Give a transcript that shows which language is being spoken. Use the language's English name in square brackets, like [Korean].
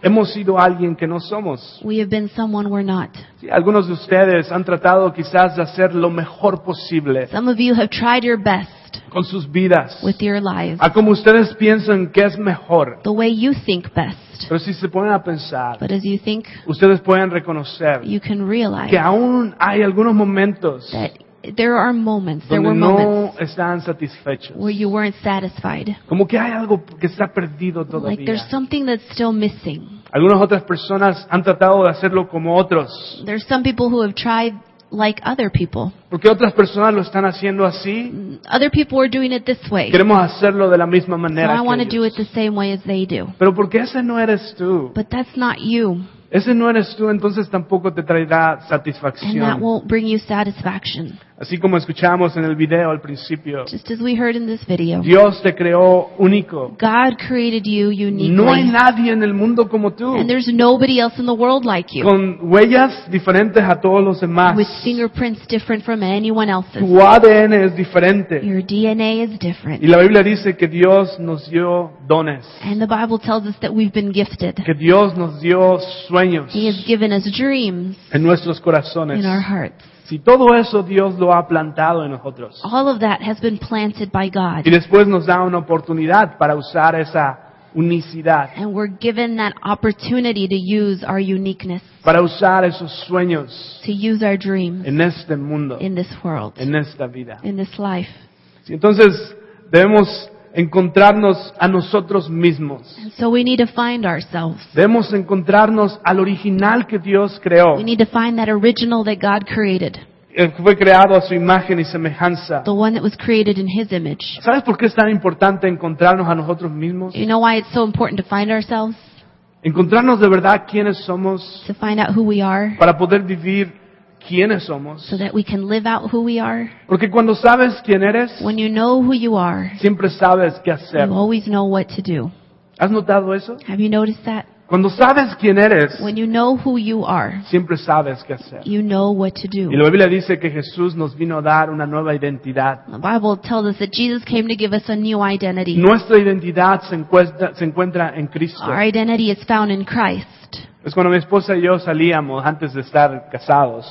[Spanish] Hemos sido alguien que no somos. [English] We have been someone we're not. [Spanish] Sí, algunos de ustedes han tratado quizás de hacer lo mejor posible. [English] Some of you have tried your best. [Spanish] Con sus vidas. [English] With your lives. [Spanish] A como ustedes piensan que es mejor. [English] The way you think best. [Spanish] Pero si se ponen a pensar. [English] But as you think. [Spanish] Ustedes pueden reconocer. [English] You can realize. [Spanish] Que aún hay algunos momentos. [English] That there are moments. [Spanish] Donde [English] there were [Spanish] no [English] moments. [Spanish] Están satisfechos. [English] Where you weren't satisfied. [Spanish] Como que hay algo que está perdido todavía. [English] Like there's something that's still missing. [Spanish] Algunas otras personas han tratado de hacerlo como otros. [English] There's some people who have tried. Like other people. [Spanish] Porque otras personas lo están haciendo así. [English] Other people are doing it this way. [Spanish] Queremos hacerlo de la misma manera. [English] So I want to do it the same way as they do. [Spanish] Pero porque ese no eres tú. [English] But that's not you. [Spanish] Ese no eres tú, entonces tampoco te traerá satisfacción. [English] And that won't bring you satisfaction. [Spanish] Así como escuchamos en el video al principio. [English] Just as we heard in this video. [Spanish] Dios te creó único. [English] God created you uniquely. [Spanish] No hay nadie en el mundo como tú. [English] And there's nobody else in the world like you. [Spanish] Con huellas diferentes a todos los demás. [English] With fingerprints different from anyone else's. [Spanish] Tu ADN es diferente. [English] Your DNA is different. [Spanish] Y la Biblia dice que Dios nos dio dones. [English] And the Bible tells us that we've been gifted. [Spanish] Que Dios nos dio sueños. [English] He has given us dreams. [Spanish] En nuestros corazones. [English] In our hearts. [Spanish] Si todo eso Dios lo ha plantado en nosotros. [English] All of that has been planted by God. [Spanish] Y después nos da una oportunidad para usar esa unicidad. [English] And we're given that opportunity to use our uniqueness. [Spanish] Para usar esos sueños. [English] To use our dreams. [Spanish] En este mundo. [English] In this world. [Spanish] En esta vida. [English] In this life. [Spanish] Sí, entonces debemos encontrarnos a nosotros mismos. [English] And so we need to find ourselves. [Spanish] Debemos encontrarnos al original que Dios creó. [English] We need to find that original that God created. [Spanish] El que fue creado a su imagen y semejanza. [English] The one that was created in his image. [Spanish] ¿Sabes por qué es tan importante encontrarnos a nosotros mismos? [English] You know why it's so important to find ourselves? [Spanish] Encontrarnos de verdad quiénes somos. [English] To find out who we are. [Spanish] Para poder vivir quiénes somos. [English] So that we can live out who we are. [Spanish] Porque cuando sabes quién eres, [English] when you know who you are, [Spanish] siempre sabes qué hacer. [English] You always know what to do. [Spanish] ¿Has notado eso? [English] Have you noticed that? [Spanish] Cuando sabes quién eres, [English] when you know who you are, [Spanish] siempre sabes qué hacer. [English] You know what to do. [Spanish] Y la Biblia dice que Jesús nos vino a dar una nueva identidad. [English] The Bible tells us that Jesus came to give us a new identity. [Spanish] Nuestra identidad se encuentra en Cristo. [English] Our identity is found in Christ. [Spanish] Es cuando mi esposa y yo salíamos antes de estar casados.